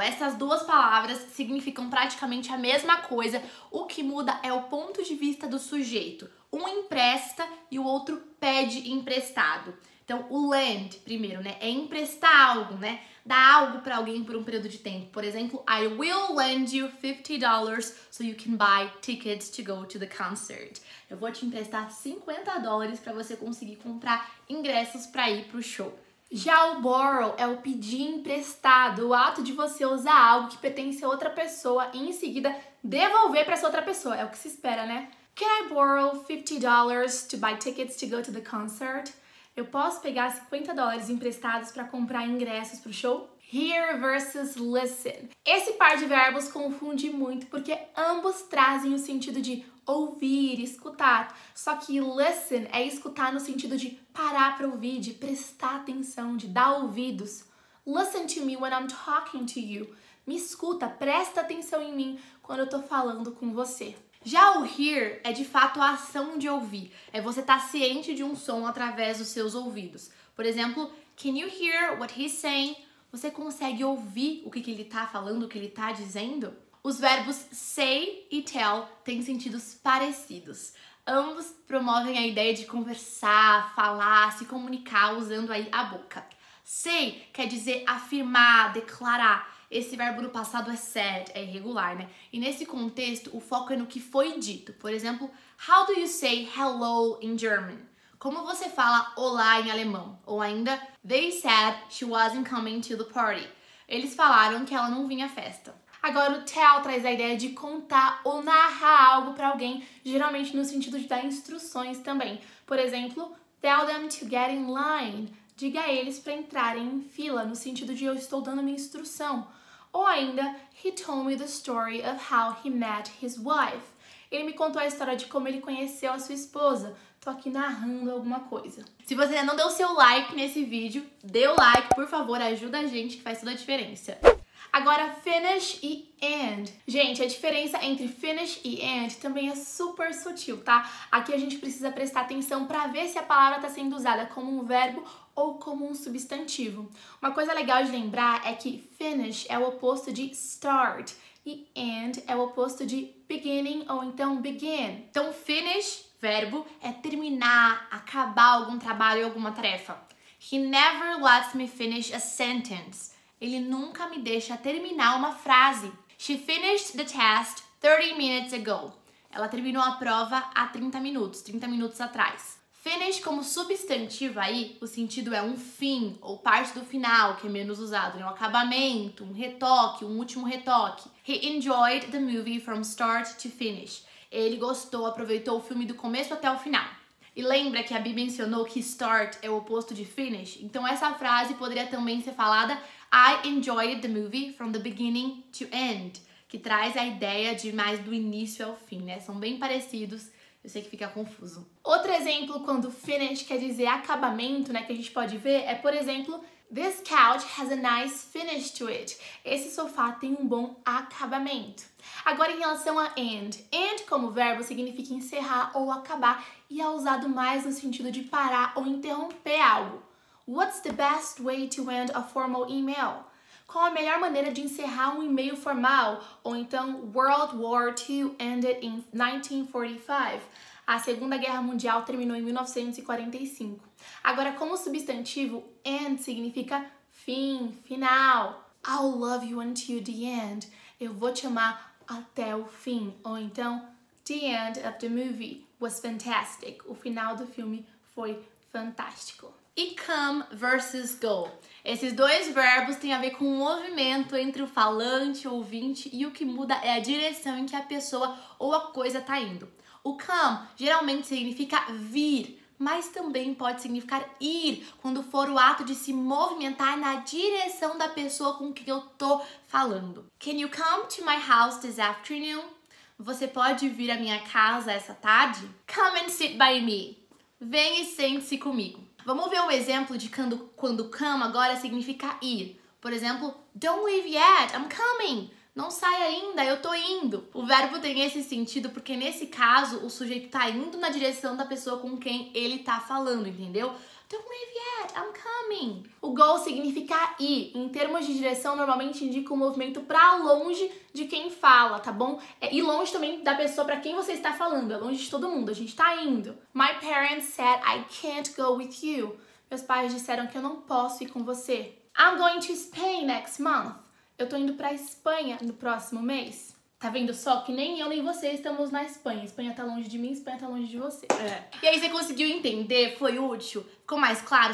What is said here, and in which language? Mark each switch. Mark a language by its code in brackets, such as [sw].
[pt] Essas duas palavras significam praticamente a mesma coisa. O que muda é o ponto de vista do sujeito. Um empresta e o outro pede emprestado. Então, o lend, primeiro, né? É emprestar algo, né? Dar algo pra alguém por um período de tempo. Por exemplo, [en] I will lend you $50 so you can buy tickets to go to the concert. [pt] Eu vou te emprestar $50 pra você conseguir comprar ingressos pra ir pro show. Já o borrow é o pedir emprestado, o ato de você usar algo que pertence a outra pessoa e em seguida devolver para essa outra pessoa, é o que se espera, né? [en] Can I borrow $50 to buy tickets to go to the concert? [pt] Eu posso pegar $50 emprestados para comprar ingressos pro show? Hear versus listen. Esse par de verbos confunde muito porque ambos trazem o sentido de ouvir, escutar. Só que listen é escutar no sentido de parar para ouvir, de prestar atenção, de dar ouvidos. [en] Listen to me when I'm talking to you. [pt] Me escuta, presta atenção em mim quando eu tô falando com você. Já o hear é de fato a ação de ouvir. É você estar ciente de um som através dos seus ouvidos. Por exemplo, [en] can you hear what he's saying? [pt] Você consegue ouvir o que ele tá falando, o que ele tá dizendo? Os verbos say e tell têm sentidos parecidos. Ambos promovem a ideia de conversar, falar, se comunicar usando aí a boca. Say quer dizer afirmar, declarar. Esse verbo no passado é said, é irregular, né? E nesse contexto, o foco é no que foi dito. Por exemplo, [en] how do you say hello in German? [pt] Como você fala olá em alemão? Ou ainda, [en] they said she wasn't coming to the party. [pt] Eles falaram que ela não vinha à festa. Agora, o tell traz a ideia de contar ou narrar algo pra alguém, geralmente no sentido de dar instruções também. Por exemplo, [en] tell them to get in line. [pt] Diga a eles pra entrarem em fila, no sentido de eu estou dando minha instrução. Ou ainda, [en] he told me the story of how he met his wife. [pt] Ele me contou a história de como ele conheceu a sua esposa. Tô aqui narrando alguma coisa. Se você ainda não deu seu like nesse vídeo, dê o like, por favor, ajuda a gente que faz toda a diferença. Agora, finish e end. Gente, a diferença entre finish e end também é super sutil, tá? Aqui a gente precisa prestar atenção pra ver se a palavra tá sendo usada como um verbo ou como um substantivo. Uma coisa legal de lembrar é que finish é o oposto de start e end é o oposto de beginning ou então begin. Então, finish, verbo, é terminar, acabar algum trabalho ou alguma tarefa. [en] He never lets me finish a sentence. [pt] Ele nunca me deixa terminar uma frase. [en] She finished the test 30 minutes ago. [pt] Ela terminou a prova há 30 minutos atrás. Finish como substantivo aí, o sentido é um fim ou parte do final, que é menos usado, né? Um acabamento, um retoque, um último retoque. [en] He enjoyed the movie from start to finish. [pt] Ele gostou, aproveitou o filme do começo até o final. E lembra que a Bi mencionou que start é o oposto de finish? Então essa frase poderia também ser falada [en] I enjoyed the movie from the beginning to end, [pt] que traz a ideia de mais do início ao fim, né? São bem parecidos, eu sei que fica confuso. Outro exemplo quando finish quer dizer acabamento, né, que a gente pode ver, é por exemplo, [en] this couch has a nice finish to it. [pt] Esse sofá tem um bom acabamento. Agora, em relação a end. End, como verbo, significa encerrar ou acabar e é usado mais no sentido de parar ou interromper algo. [en] What's the best way to end a formal email? [pt] Qual a melhor maneira de encerrar um e-mail formal? Ou então, [en] World War II ended in 1945. [pt] A Segunda Guerra Mundial terminou em 1945. Agora, como substantivo, end significa fim, final. [en] I'll love you until the end. [pt] Eu vou te amar até o fim. Ou então, [en] the end of the movie was fantastic. [pt] O final do filme foi fantástico. E come versus go. Esses dois verbos têm a ver com o movimento entre o falante, ouvinte, e o que muda é a direção em que a pessoa ou a coisa está indo. O come geralmente significa vir, mas também pode significar ir, quando for o ato de se movimentar na direção da pessoa com quem eu tô falando. [en] Can you come to my house this afternoon? [pt] Você pode vir à minha casa essa tarde? [en] Come and sit by me. [pt] Vem e sente-se comigo. Vamos ver um exemplo de quando come agora significa ir. Por exemplo, [en] don't leave yet, I'm coming. [pt] Não sai ainda, eu tô indo. O verbo tem esse sentido porque nesse caso o sujeito tá indo na direção da pessoa com quem ele tá falando, entendeu? [en] Don't leave yet, I'm coming. [pt] O go significa ir. Em termos de direção, normalmente indica o movimento pra longe de quem fala, tá bom? É ir longe também da pessoa pra quem você está falando. É longe de todo mundo, a gente tá indo. [en] My parents said I can't go with you. [pt] Meus pais disseram que eu não posso ir com você. [en] I'm going to Spain next month. [pt] Eu tô indo pra Espanha no próximo mês. Tá vendo só que nem eu nem você estamos na Espanha. Espanha tá longe de mim, Espanha tá longe de você. É. E aí você conseguiu entender? Foi útil? Ficou mais claro?